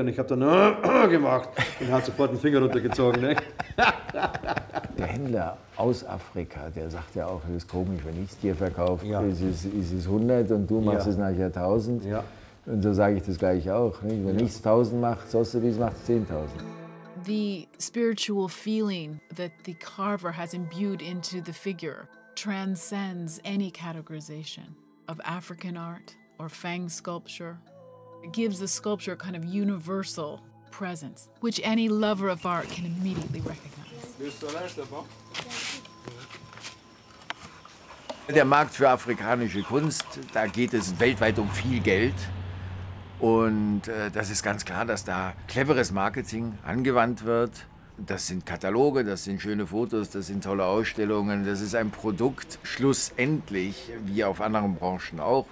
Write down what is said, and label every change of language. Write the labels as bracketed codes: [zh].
[de] Und ich habe dann gemacht und hat sofort den Finger runtergezogen. Ne? Der Händler aus Afrika, der sagt ja auch, es ist komisch, wenn ich es dir verkaufe, ja, ist es 100 und du machst es nachher 1.000. Ja. Und so sage ich das gleich auch. Ne? Wenn ich es 1.000 mache, sollst du wie es macht, 10.000. [en] The spiritual feeling that the carver has imbued into the figure transcends any categorization of African art or fang sculpture. It gives the sculpture a kind of universal presence, which any lover of art can immediately recognize. [de] Der Markt für afrikanische Kunst, da geht es weltweit um viel Geld. Und das ist ganz klar, dass da cleveres Marketing angewandt wird. Das sind Kataloge, das sind schöne Fotos, das sind tolle Ausstellungen. Das ist ein Produkt, schlussendlich, wie auf anderen Branchen auch.